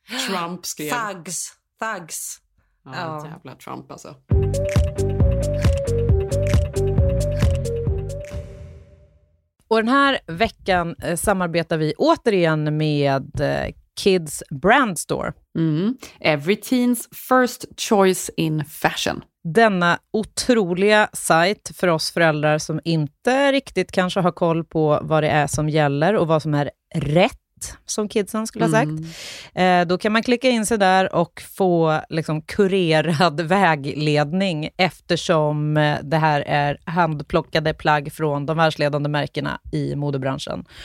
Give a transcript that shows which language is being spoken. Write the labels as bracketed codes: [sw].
[sv] Trump skrev. [en] Thugs. [sv] Ja, jävla Trump alltså. Och den här veckan samarbetar vi återigen med Kids Brand Store. [en] Every teen's first choice in fashion. [sv] Denna otroliga sajt för oss föräldrar som inte riktigt kanske har koll på vad det är som gäller och vad som är rätt. Som kidsen skulle ha sagt. Då kan man klicka in sig där och få liksom kurerad vägledning eftersom det här är handplockade plagg från de världsledande märkena i modebranschen.